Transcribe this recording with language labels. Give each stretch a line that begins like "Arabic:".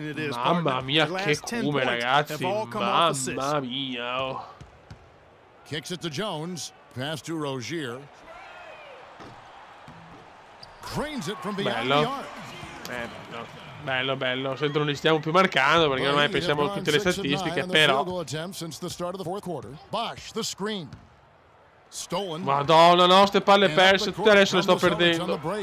Italian: Mamma mia, che cume, ragazzi. Mamma mia.
English: Kicks it to Jones, pass to Rozier. Cranes it from behind the arc.
Italian: Bello. Bello, bello. Sento non li stiamo più marcando perché ormai pensiamo a tutte le statistiche, però.
English: Bosch, the screen.
Italian: Madonna, no, ste palle perse, tutte adesso le sto perdendo.